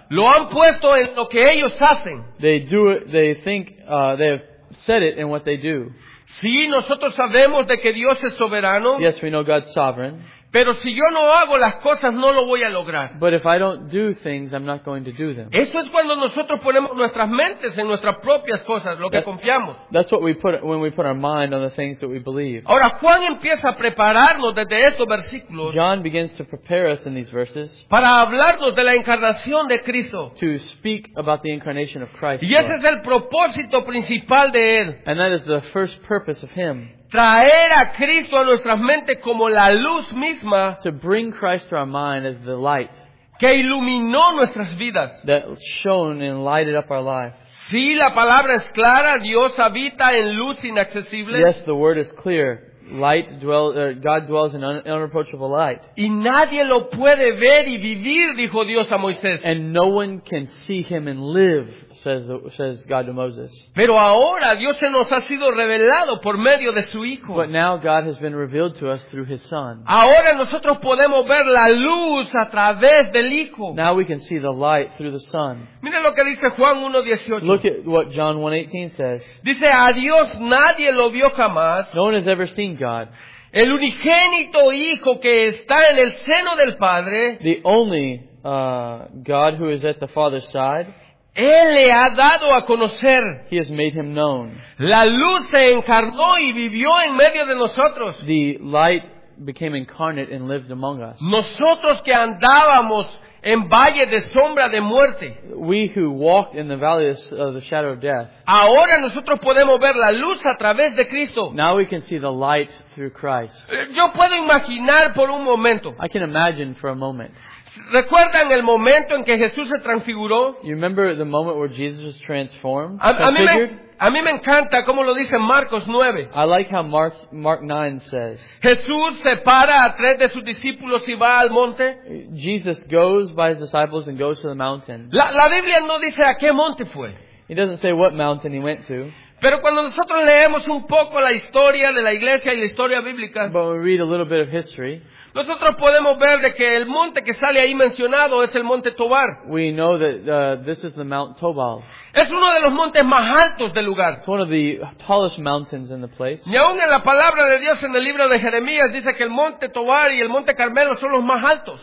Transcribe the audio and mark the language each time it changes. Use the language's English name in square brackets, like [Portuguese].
[Spanish] Lo han puesto en lo que ellos hacen. [English] They do it. They think. They have said it in what they do. [Spanish] Sí, nosotros sabemos de que Dios es soberano. [English] Yes, we know God's sovereign. [Spanish] Pero si yo no hago las cosas, no lo voy a lograr. [English] But if I don't do things, I'm not going to do them. [Spanish] Eso es cuando nosotros ponemos nuestras mentes en nuestras propias cosas, lo que confiamos. [English] That's what we put when we put our mind on the things that we believe. [Spanish] Ahora Juan empieza a prepararnos desde estos versículos. [English] John begins to prepare us in these verses. [Spanish] Para hablarnos de la encarnación de Cristo. [English] To speak about the incarnation of Christ. [Spanish] Y ese es el propósito principal de él. [English] And that is the first purpose of him. [Spanish] Traer a Cristo a nuestras mentes como la luz misma. [English] To bring Christ to our mind as the light. [Spanish] Que iluminó nuestras vidas. [English] That shone and lighted up our life. [Spanish] Sí, la palabra es clara. Dios habita en luz inaccesible. [English] Yes, the word is clear. God dwells in unapproachable light. [Spanish] Y nadie lo puede ver y vivir, dijo Dios a Moisés. [English] And no one can see him and live, says God to Moses. [Spanish] Pero ahora Dios se nos ha sido revelado por medio de su Hijo. [English] But now God has been revealed to us through his Son. [Spanish] Ahora nosotros podemos ver la luz a través del Hijo. [English] Now we can see the light through the Son. [Spanish] Mira lo que dice Juan 1:18. [English] Look at what John 1:18 says. [Spanish] Dice, a Dios nadie lo vio jamás. [English] No one has ever seen God. [Spanish] El unigénito Hijo que está en el seno del Padre. [English] The only God who is at the Father's side. [Spanish] Él le ha dado a conocer. [English] He has made him known. [Spanish] La luz se encarnó y vivió en medio de nosotros. [English] The light became incarnate and lived among us. [Spanish] Nosotros que andábamos en valle de sombra de muerte. [English] We who walked in the valley of the shadow of death. [Spanish] Ahora nosotros podemos ver la luz a través de Cristo. [English] Now we can see the light through Christ. [Spanish] Yo puedo imaginar por un momento. [English] I can imagine for a moment. [Spanish] ¿Recuerdan el momento en que Jesús se transfiguró? [English] You remember the moment where Jesus was transformed? [Spanish] A mí me encanta cómo lo dice Marcos 9. [English] I like how Mark 9 says. [Spanish] Jesús separa a tres de sus discípulos y va al monte. [English] Jesus goes by his disciples and goes to the mountain. [Spanish] La Biblia no dice a qué monte fue. [English] It doesn't say what mountain he went to. [Spanish] Pero cuando nosotros leemos un poco la historia de la iglesia y la historia bíblica, [English] but we read a little bit of history, [Spanish] nosotros podemos ver de que el monte que sale ahí mencionado es el monte Tobar. [English] We know that this is the Mount Tobal. [Spanish] Es uno de los montes más altos del lugar. [English] It's one of the tallest mountains in the place. [Spanish] Y aún en la palabra de Dios en el libro de Jeremías dice que el monte Tobar y el monte Carmelo son los más altos.